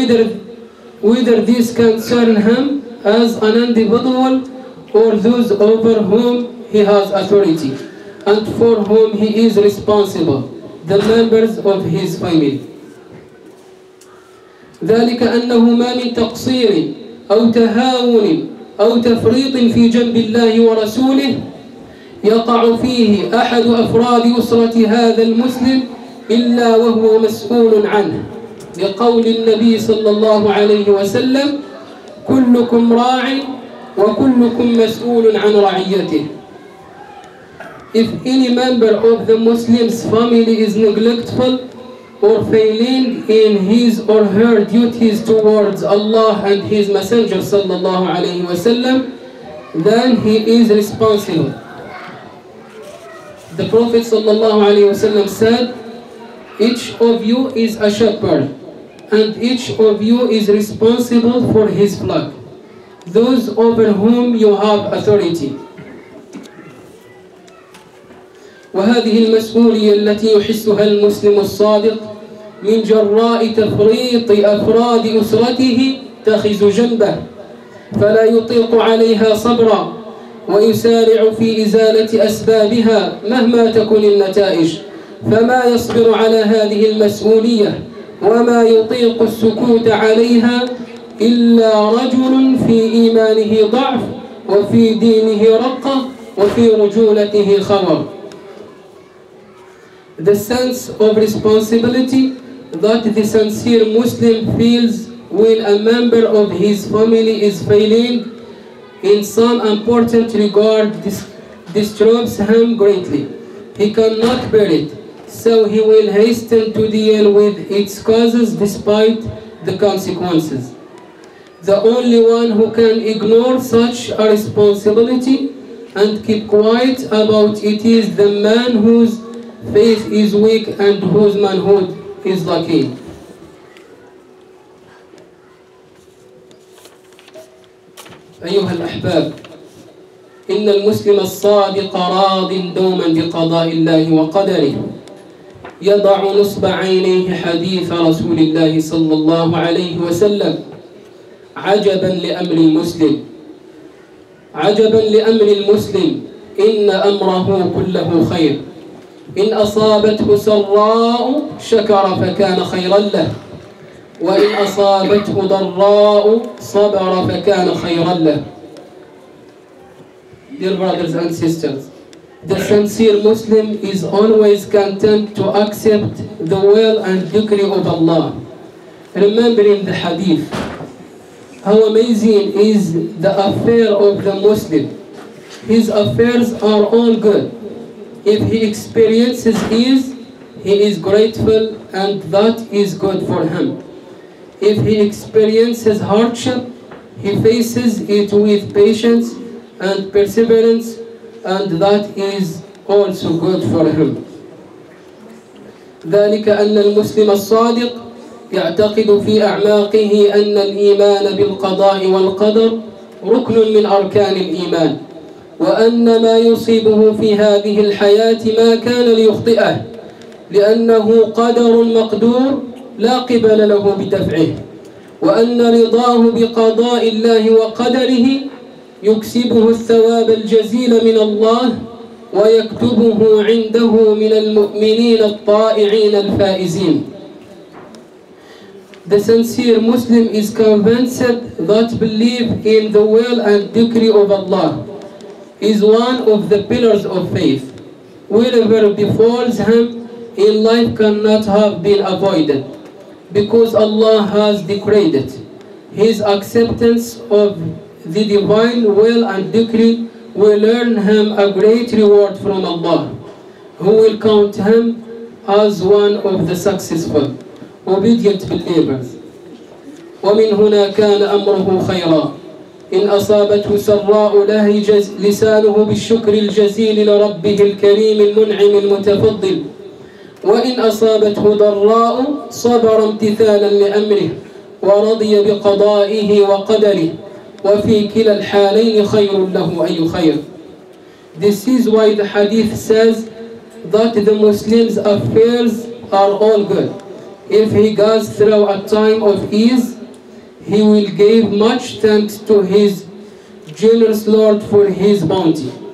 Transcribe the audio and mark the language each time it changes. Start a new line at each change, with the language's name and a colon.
English: Whether these concern him as an individual or those over whom he has authority and for whom he is responsible, the members of his family.
Arabic: ذلك أنه ما من تقصير أو تهاون أو تفريط في جنب الله ورسوله يقع فيه أحد أفراد أسرة هذا المسلم إلا وهو مسؤول عنه لقول النبي صلى الله عليه وسلم كلكم راع وكلكم مسؤول عن رعيته.
English: If any member of the Muslim's family is neglectful or failing in his or her duties towards Allah and His Messenger
Arabic: sallallahu alayhi wa sallam,
English: then he is responsible. The Prophet
Arabic: sallallahu alayhi wa sallam
English: said, each of you is a shepherd, and each of you is responsible for his flock, those over whom you have authority.
Arabic: وهذه المسؤولية التي يحسها المسلم الصادق من جراء تفريط أفراد أسرته تخذ جنبه فلا يطيق عليها صبرا ويسارع في إزالة أسبابها مهما تكون النتائج فما يصبر على هذه المسؤولية وما يطيق السكوت عليها إلا رجل في إيمانه ضعف وفي دينه رقة وفي رجولته خمر.
English: The sense of responsibility that the sincere Muslim feels when a member of his family is failing in some important regard disturbs him greatly. He cannot bear it, so he will hasten to deal with its causes despite the consequences. The only one who can ignore such a responsibility and keep quiet about it is the man whose faith is weak and whose manhood is lacking.
Arabic: أيها الأحباب إن المسلم الصادق راض دوما بقضاء الله وقدره يضع نصب عينيه حديث رسول الله صلى الله عليه وسلم عجبا لأمر المسلم عجبا لأمر المسلم إن أمره كله خير إن أصابته سراء شكر فكان خيرا له وإن أصابته ضراء صبر فكان خيرا له.
English: Dear brothers and sisters, the sincere Muslim is always content to accept the will and decree of Allah. Remembering the hadith, how amazing is the affair of the Muslim. His affairs are all good. If he experiences ease, he is grateful and that is good for him. If he experiences hardship, he faces it with patience and perseverance, and that is also good for him.
Arabic: ذلك أن المسلم الصادق يعتقد في أعماقه أن الإيمان بالقضاء والقدر ركن من أركان الإيمان وأن ما يصيبه في هذه الحياة ما كان ليخطئه لأنه قدر مقدور لا قبل له بدفعه وأن رضاه بقضاء الله وقدره يكسبه الثواب الجزيل من الله ويكتبه عنده من المؤمنين الطائعين الفائزين.
English: The sincere Muslim is convinced that belief in the will and decree of Allah is one of the pillars of faith. Whatever befalls him in life cannot have been avoided because Allah has decreed it. His acceptance of the divine will and decree will earn him a great reward from Allah, who will count him as one of the successful, obedient believers.
Arabic: ومن هنا كان أمره خيرا إن أصابته سراء لهج لسانه بالشكر الجزيل لربه الكريم المنعم المتفضل وإن أصابته ضراء صبر امتثالا لأمره ورضي بقضائه وقدره وفي كلا الحالين خير له أي خير.
English: This is why the hadith says that the Muslim's affairs are all good. If he goes through a time of ease, he will give much thanks to his generous Lord for his bounty.